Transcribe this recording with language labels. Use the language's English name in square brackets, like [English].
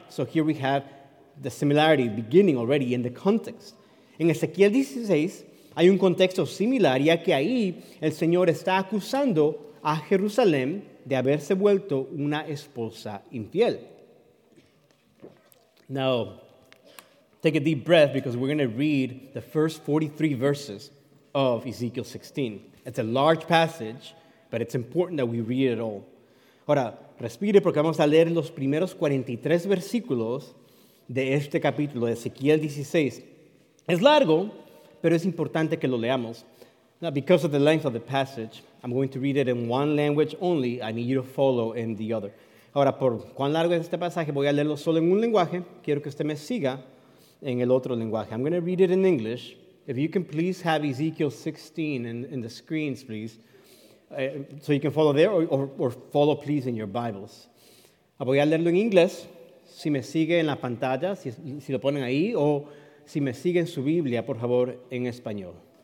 [English] So here we have the similarity beginning already in the context. [Spanish] En Ezequiel 16 hay un contexto similar, ya que ahí el Señor está acusando a Jerusalén de haberse vuelto una esposa infiel. [English] Now, take a deep breath because we're going to read the first 43 verses of Ezekiel 16. It's a large passage, but it's important that we read it all. [Spanish] Ahora, respire porque vamos a leer los primeros 43 versículos de este capítulo, de Ezequiel 16. Es largo, pero es importante que lo leamos. [English] Now, because of the length of the passage, I'm going to read it in one language only. I need you to follow in the other. [Spanish] Ahora, por cuán largo es este pasaje, voy a leerlo solo en un lenguaje. Quiero que usted me siga en el otro lenguaje. [English] I'm going to read it in English. If you can please have Ezekiel 16 in the screens, please, so you can follow there or follow, please, in your Bibles. [Spanish] Voy a leerlo en inglés. Si me sigue en la pantalla, si lo ponen ahí, o si me sigue en su Biblia, por favor, en español.